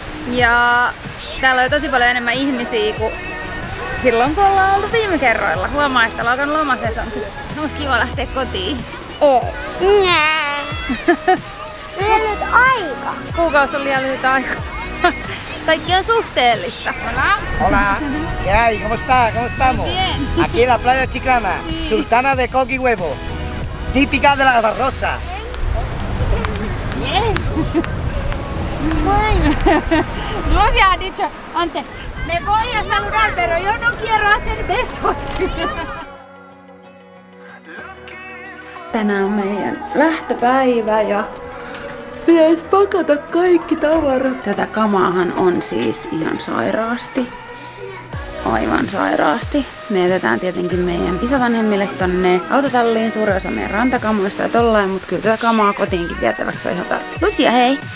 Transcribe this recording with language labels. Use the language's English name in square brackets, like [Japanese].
[Finnish] Ja täällä on tosi paljon enemmän ihmisiä kuin silloin, kun ollaan oltu viime kerroilla. Huomaa, että ollaan alkanut lomasesonki. Onko kiva lähteä kotiin? Ei. Nää. Meillä on nyt aika. Kuukausi on liian lyhyt aika. Kaikki on suhteellista. [Spanish] Hola. Hola. Hey, ¿cómo está? ¿Cómo estamos? Bien. Aquí en la playa Chiclana. Sí. Sultana de coqui huevo. Típica de la Barrosa. Lucia ha dicho, antes, me voy a saludar, pero yo no quiero hacer besos. [Finnish] Tänään on meidän lähtöpäivä ja pitäisi pakata kaikki tavarat. Tätä kamaahan on siis ihan sairaasti. Aivan sairaasti. Me jätetään tietenkin meidän isovanhemmille tonne autotalliin suurin osa meidän rantakamoista ja tollain, mutta kyllä tätä kamaa kotiinkin vietäväksi on ihan tarpeeksi. Lucia, hei!